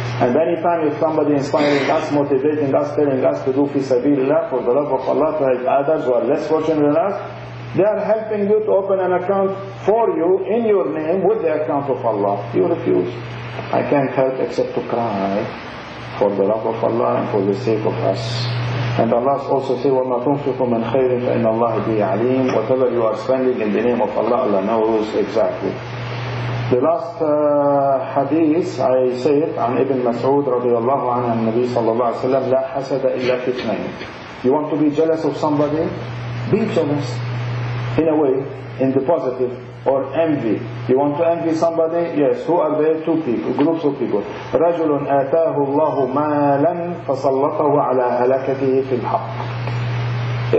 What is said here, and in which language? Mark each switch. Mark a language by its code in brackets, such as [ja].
[en] And any time if somebody inspiring us, motivating us, telling us to do fi sabilillah for the love of Allah, to help others who are less fortunate than us, they are helping you to open an account for you in your name with the account of Allah. You refuse. I can't help except to cry for the love of Allah and for the sake of us. And Allah also says, [ar] وَمَا تُنْفِقُ مِنْ خَيْرٍ فَإِنَّ اللَّهِ بِهِ عَلِيمٌ. [en] Whatever you are spending in the name of Allah, Allah knows exactly. The last hadith, I say it, [ar] عن Ibn Mas'ud رضي الله عنه النبي صلى الله عليه وسلم, لا حسد إلا في اثنين. [en] You want to be jealous of somebody? Be jealous in a way, in the positive. Or envy. You want to envy somebody? Yes. Who are they? Two people, groups of people. [ar] رجل آتاه الله مالا فسلطه على هلكته في الحق.